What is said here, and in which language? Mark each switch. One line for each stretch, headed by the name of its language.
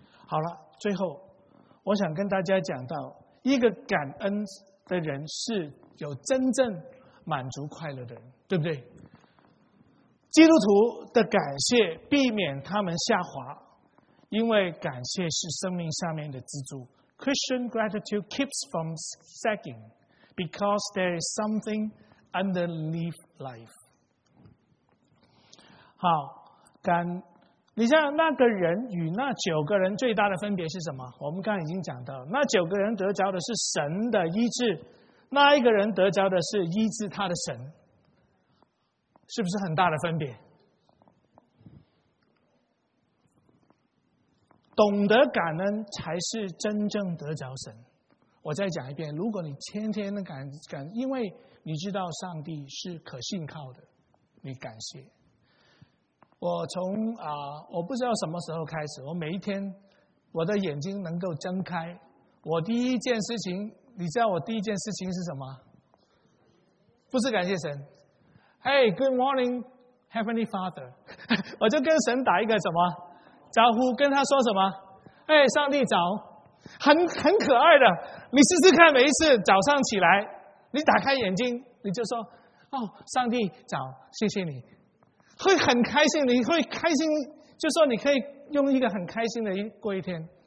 Chinese: 好了，最后我想跟大家讲到一个感恩。的人是有真正满足快乐的人，对不对？基督徒的感谢避免他们下滑，因为感谢是生命上面的支柱。
English: Christian gratitude keeps from sagging because there is something underneath life。
Chinese: 好，你像那个人与那九个人最大的分别是什么？我们刚才已经讲到，那九个人得着的是神的医治，那一个人得着的是医治他的神，是不是很大的分别？懂得感恩才是真正得着神。我再讲一遍，如果你天天的感，因为你知道上帝是可信靠的，你感谢。我从我不知道什么时候开始，我每一天我的眼睛能够睁开，我第一件事情，你知道我第一件事情是什么？不是感谢神。
English: Hey, good morning, Heavenly Father.
Chinese: 我就跟神打一个什么招呼，跟他说什么？ Hey, 上帝早。很可爱的，你试试看，每一次早上起来你打开眼睛你就说，哦，上帝早，谢谢你。会很开心，你会开心，就说你可以用一个很开心的过一天。